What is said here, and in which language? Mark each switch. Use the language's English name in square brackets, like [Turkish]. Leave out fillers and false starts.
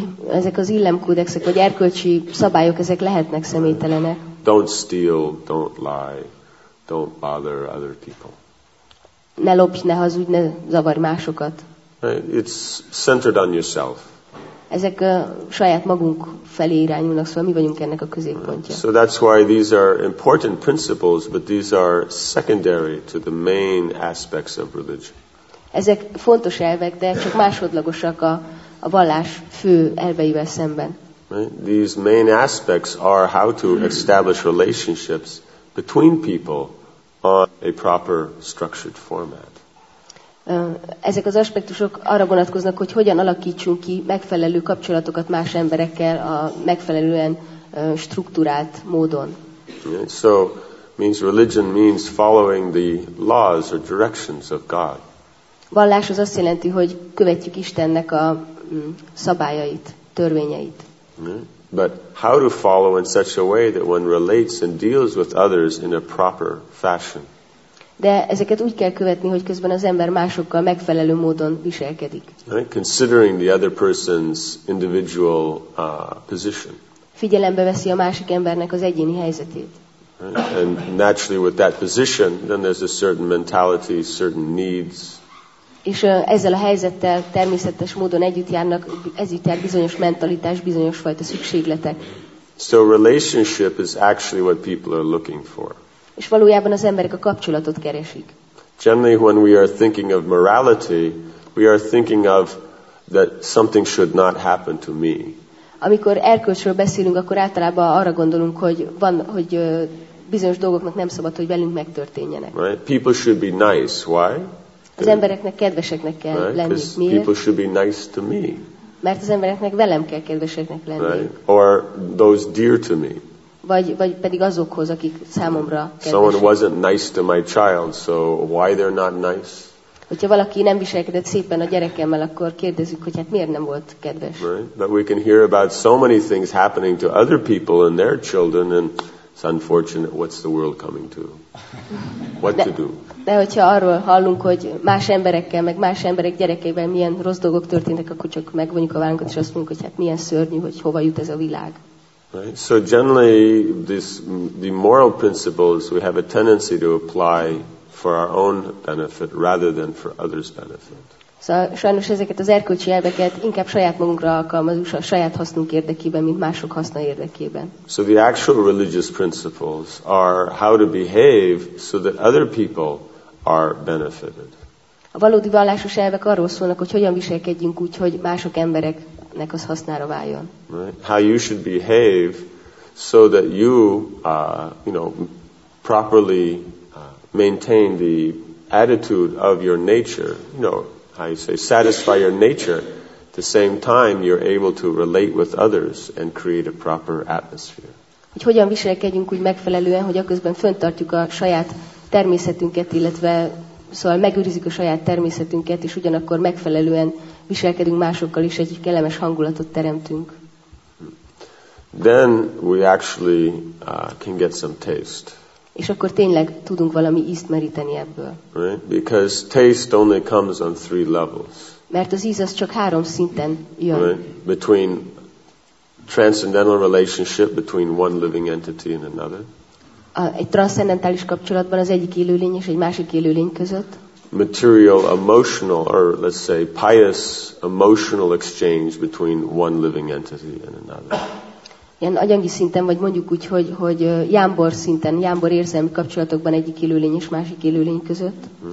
[Hungarian] Ezek az illemkódexek, vagy erkölcsi szabályok, ezek lehetnek személytelenek. [English] Don't steal, don't lie, don't bother other people. [Hungarian] Ne lopj, ne hazudj, ne zavarj másokat. [English] It's centered on yourself. [Hungarian] ezek saját magunk felé irányulnak, szóval mi vagyunk ennek a középpontja. [English] So that's why these are important principles, but these are secondary to the main aspects of religion. [Hungarian] Ezek fontos elvek, de csak másodlagosak a vallás fő elveivel szemben. [English] Right? These main aspects are how to establish relationships between people on a proper structured format. [Hungarian] Ezek az aspektusok arra vonatkoznak, hogy hogyan alakítsunk ki megfelelő kapcsolatokat más emberekkel a megfelelően struktúrált módon. [English] Right? So means religion means following the laws or directions of God. [Hungarian] Vallás az azt jelenti, hogy követjük Istennek a szabályait, törvényeit. [English] But how to follow in such a way that one relates and deals with others in a proper fashion. [Hungarian] De ezeket úgy kell követni, hogy közben az ember másokkal megfelelő módon viselkedik. [English] Right? Considering the other person's individual position. [Hungarian] Figyelembe veszi a másik embernek az egyéni helyzetét. [English] Right? And naturally with that position, then there's a certain mentality, certain needs. [Hungarian] És ezzel a helyzettel természetes módon együtt járnak, együtt jár bizonyos mentalitás, bizonyos fajta szükségletek. [English] So relationship is actually what people are looking for. [Hungarian] És valójában az emberek a kapcsolatot keresik. [English] Generally when we are thinking of morality, we are thinking of that something should not happen to me. [Hungarian] Amikor erkölcsről beszélünk, akkor általában arra gondolunk, hogy van, hogy bizonyos dolgoknak nem szabad, hogy velünk megtörténjenek. [English] Right? People should be nice. Why? [Hungarian] Az embereknek kedveseknek kell lenni. Miért? [English] People should be nice to me. [Hungarian] Mert az embereknek velem kell kedveseknek lenni. [English] Right? Or those dear to me. [Hungarian] Vagy pedig azokhoz, akik számomra kedvesek. [English] Someone wasn't nice to my child, so why they're not nice? [Hungarian] Hogyha valaki nem viselkedett szépen a gyerekemmel, akkor kérdezzük, hogy hát miért nem volt kedves. [English] Right? But we can hear about so many things happening to other people and their children, and it's unfortunate, what's the world coming to? What to do? [Hungarian] De hogyha arról hallunk, hogy más emberekkel, meg más emberek gyerekeivel milyen rossz dolgok történnek, akkor csak megvonjuk a vállunkat, és azt mondjuk, hogy hát milyen szörnyű, hogy hova jut ez a világ. [English] Right. So generally, the moral principles we have a tendency to apply for our own benefit rather than for others' benefit. [Hungarian] Szóval sajnos ezeket az erkölcsi elveket inkább saját magunkra alkalmazunk, a saját hasznunk érdekében, mint mások haszna érdekében. [English] So the actual religious principles are how to behave so that other people are benefited. [Hungarian] A valódi vallásos elvek arról szólnak, hogy hogyan viselkedjünk úgy, hogy mások embereknek az hasznára váljon. [English] Right? How you should behave so that you, you know, properly maintain the attitude of your nature, you know, I say satisfy your nature, at the same time you're able to relate with others and create a proper atmosphere. [Hungarian] Hogy hogyan viselkedjünk úgy megfelelően, hogy aközben fönntartjuk a saját természetünket, illetve szóval megőrizzük a saját természetünket, és ugyanakkor megfelelően viselkedünk másokkal is, egy kellemes hangulatot teremtünk. [English] Then we actually can get some taste. [Hungarian] És akkor tényleg tudunk valami ízt meríteni ebből. [English] Right? Because taste only comes on three levels. [Hungarian] Mert az íz az csak három szinten jön. [English] Right? Between transcendental relationship between one living entity and another. [Hungarian] Egy transzcendentális kapcsolatban az egyik élőlény és egy másik élőlény között. [English] Material, emotional, or let's say pious emotional exchange between one living entity and another. [Hungarian] Ilyen agyangi szinten, vagy mondjuk úgy, hogy jámbor szinten, jámbor érzelmi kapcsolatokban egyik élőlény és másik élőlény között.